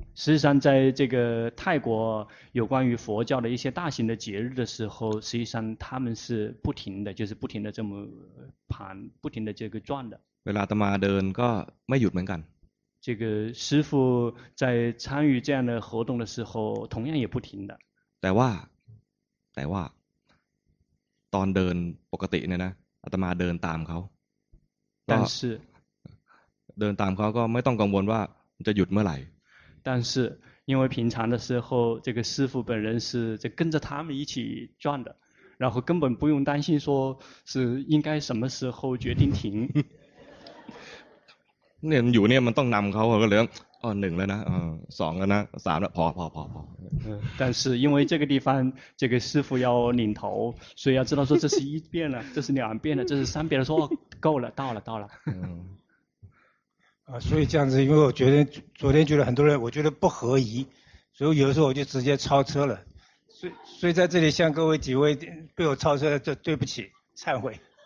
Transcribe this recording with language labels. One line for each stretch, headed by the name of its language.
Chinese: 事实上在这个泰国有关于佛教的一些大型的节日的时候实际上他们是不停的就是不停的这么盘不停的这个转的
Thai: เวลาตมาเดินก็ไม่หยุดเหมือนกัน
Chinese: 这个师父在参与这样的活动的时候同样也不停的
Thai: แต่ว่าตอนเดินปกติเนี่ยนะอาตมาเดินตามเขา แต่ เดินตามเขาก็ไม่ต้องกังวลว่าจะหยุดเมื่อไหร่
Chinese: 但是因为平常的时候这个师父本人是在跟着他们一起转的然后根本不用担心说是应该什么时候决定停
Thai: เนี่ยอยู่เนี่ยมันต้องนำเขาก็เลยหนึ่งแล้วนะสองแล้วนะสามแล้วพอ
Chinese: 但是因为这个地方这个师父要领头所以要知道说这是一遍了这是两遍了这是三遍了说够了到了所以这样子因为我觉得昨天觉得很多人我觉得不合宜所以有的时候我就直接超车了所以在这里向各位几位被我超车了就对不起忏悔